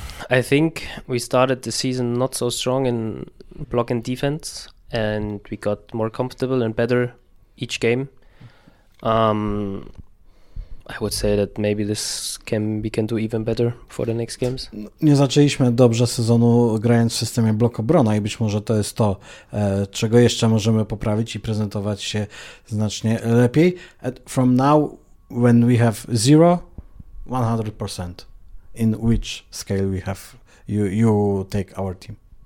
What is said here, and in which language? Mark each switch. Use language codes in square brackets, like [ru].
[en] I think we started the season not so strong in block and defense, and we got more comfortable and better each game. I would say that maybe this can we can do even better for the next games. [pl] Nie zaczęliśmy dobrze sezonu grając w systemie blok obrona i być może to jest to, czego jeszcze możemy poprawić i prezentować się znacznie lepiej. [en] From now, when we have 0, 100%, in which scale we have you take our team?